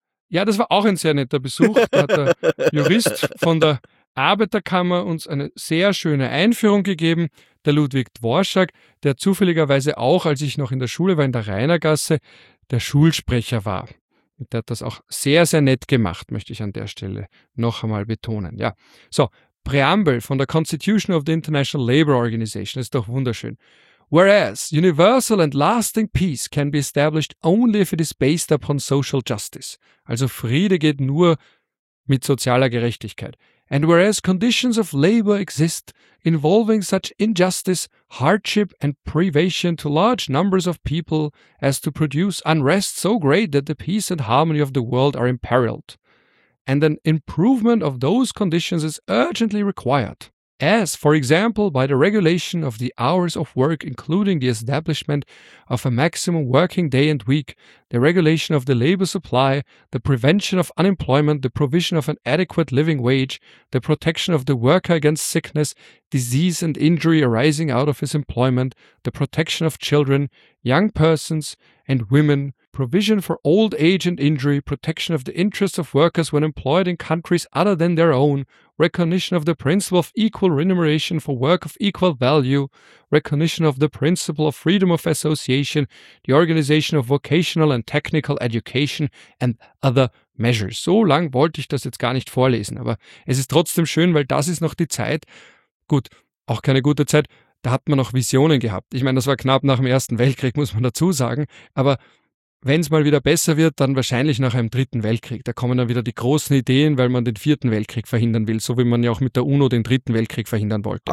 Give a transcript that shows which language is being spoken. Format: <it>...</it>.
<de>Ja, das war auch ein sehr netter Besuch. Da hat der Jurist von der Arbeiterkammer uns eine sehr schöne Einführung gegeben, der Ludwig Dworschak, der zufälligerweise auch, als ich noch in der Schule war, in der Rainergasse, der Schulsprecher war. Der hat das auch sehr, sehr nett gemacht, möchte ich an der Stelle noch einmal betonen. Ja, so, Präambel von der Constitution of the International Labour Organization ist doch wunderschön.</de> <en>Whereas universal and lasting peace can be established only if it is based upon social justice.</en> <de>Also Friede geht nur mit sozialer Gerechtigkeit.</de> <en>And whereas conditions of labor exist involving such injustice, hardship and privation to large numbers of people as to produce unrest so great that the peace and harmony of the world are imperiled, and an improvement of those conditions is urgently required, as, for example, by the regulation of the hours of work, including the establishment of a maximum working day and week, the regulation of the labor supply, the prevention of unemployment, the provision of an adequate living wage, the protection of the worker against sickness, disease and injury arising out of his employment, the protection of children, young persons and women, provision for old age and injury, protection of the interests of workers when employed in countries other than their own, recognition of the principle of equal remuneration for work of equal value, recognition of the principle of freedom of association, the organization of vocational and technical education and other measures.</en> <de>So lang wollte ich das jetzt gar nicht vorlesen, aber es ist trotzdem schön, weil das ist noch die Zeit. Gut, auch keine gute Zeit, da hat man noch Visionen gehabt. Ich meine, das war knapp nach dem Ersten Weltkrieg, muss man dazu sagen, aber wenn es mal wieder besser wird, dann wahrscheinlich nach einem Dritten Weltkrieg. Da kommen dann wieder die großen Ideen, weil man den Vierten Weltkrieg verhindern will, so wie man ja auch mit der UNO den Dritten Weltkrieg verhindern wollte.</de>